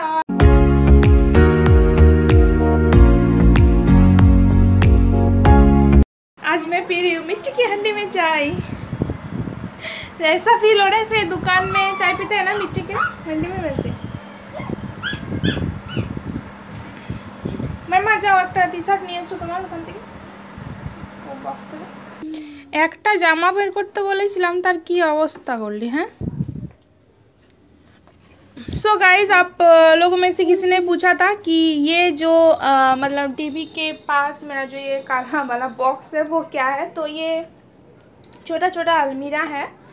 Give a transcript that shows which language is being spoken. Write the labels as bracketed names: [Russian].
[Hindi] और आज मैं पी रही हूँ मिर्ची की हंडी में चाय। ऐसा फील हो रहा है, दुकान में चाय पीते हैं ना मिट्टी के मंडी में, वैसे मैं मजा। [Bangla] और একটা টি-শার্ট নিয়ে আসো তোমার দোকান থেকে, ও বক্স করে একটা জামা বের করতে বলেছিলাম, তার কি অবস্থা করলি? [Hindi] হ্যাঁ सो गाइज, आप लोगों में से किसी ने पूछा था कि ये जो मतलब टीवी के पास मेरा जो ये काला वाला बॉक्स है वो क्या है, तो ये छोटा छोटा अलमीरा है।